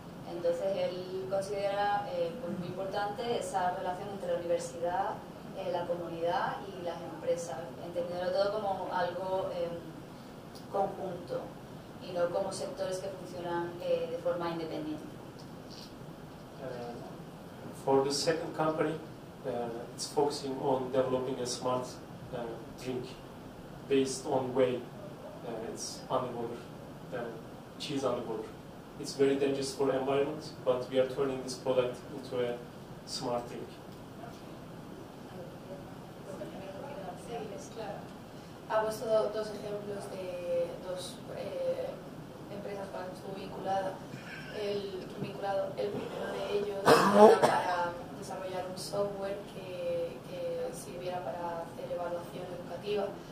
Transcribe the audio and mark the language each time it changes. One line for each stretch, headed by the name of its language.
Spanish: Entonces él considera pues muy importante esa relación entre la universidad, la comunidad y las empresas, entendiendo todo como algo conjunto y no como sectores que funcionan de forma independiente.
English: For the second company, it's focusing on developing a smart drink based on whey. It's underwater. Cheese on the board. It's very dangerous for the environment, but we are turning this product into a smart drink.
Spanish: Sí, es claro. Ha puesto dos ejemplos de dos empresas para las que estuvo vinculada. El primero de ellos era para desarrollar un software que sirviera para hacer evaluación educativa.